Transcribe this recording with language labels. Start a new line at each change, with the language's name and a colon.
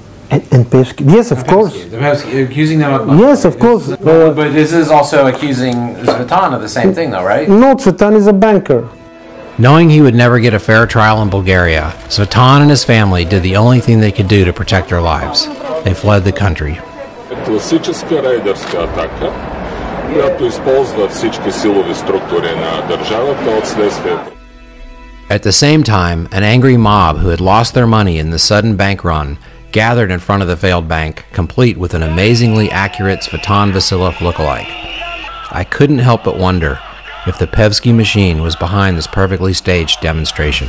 English: And Pevsky, yes, of course. Pevsky, accusing them of money. Yes, of course. But this is also accusing Svetan of the same thing, though, right? No, Svetan is a banker. Knowing he would never get a fair trial in Bulgaria, Svetan and his family did the only thing they could do to protect their lives. They fled the country.
Bulgarian: Класическа рейдерска атака, която използва всички силови структури на държавата от следствието.
English: At the same time, an angry mob who had lost their money in the sudden bank run gathered in front of the failed bank, complete with an amazingly accurate Cvetan Vasilov lookalike. I couldn't help but wonder if the Pevsky machine was behind this perfectly staged demonstration.